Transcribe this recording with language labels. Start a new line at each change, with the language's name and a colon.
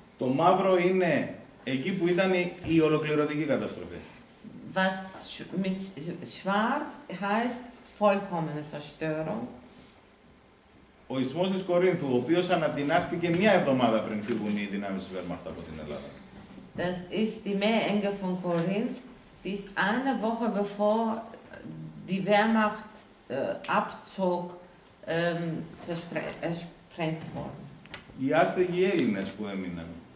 Greek: Το μαύρο είναι εκεί που ήταν η ολοκληρωτική καταστροφή.
German: Was mit schwarz heißt vollkommene Zerstörung.
Greek: Ο Ισθμός της Κορίνθου, ο οποίος ανατινάχτηκε μία εβδομάδα πριν φύγουν οι δυνάμεις της Βέρμαχτ από την Ελλάδα.
German: Das ist die Meerenge von Korinth. Die ist eine Woche bevor die Wehrmacht abzog, zersprengt worden.
Greek: Οι άστεγοι Έλληνες που έμειναν.